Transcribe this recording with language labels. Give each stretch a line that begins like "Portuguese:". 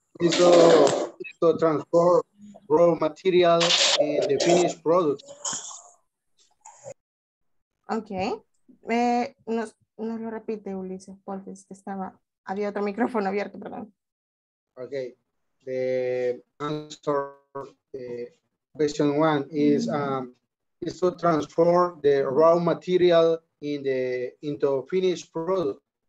English: So transport raw material and the finished product. Okay.
Spanish: Nos lo repite, Ulises, porque es que estaba, había otro micrófono abierto, perdón.
English: Okay. The answer, question one is, is to transform the raw material into finished product.